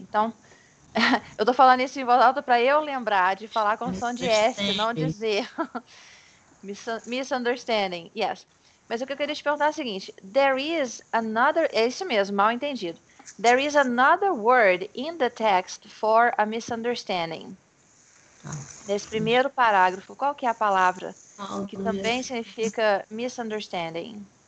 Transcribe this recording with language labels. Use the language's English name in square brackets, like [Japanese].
[Portuguese] Então, eu tô falando isso em voz alta para eu lembrar de falar com som de S, não de Z. [English] misunderstanding, yes. [Portuguese] Mas o que eu queria te perguntar é o seguinte. [English] There is another... [Portuguese] É isso mesmo, mal entendido. [English] There is another word in the text for a misunderstanding. [Portuguese] Nesse primeiro parágrafo, qual que é a palavra que também significa misunderstanding?